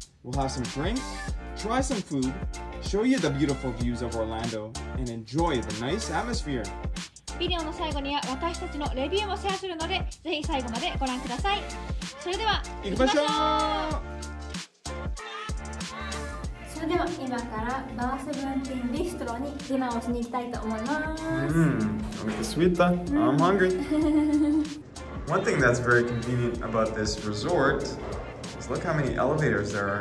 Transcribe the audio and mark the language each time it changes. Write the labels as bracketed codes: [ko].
[en] We'll have some drinks, try some food, show you the beautiful views of Orlando, and enjoy the nice atmosphere. [ja] ビデオの最後には私たちのレビューもシェアするので、ぜひ最後までご覧ください。それでは、行きましょう。それでは、今からバーセブンティンビストロにディナーをしに行きたいと思います。 [en] I'm the sweet one. I'm hungry. One thing that's very convenient about this resort is look how many elevators there are.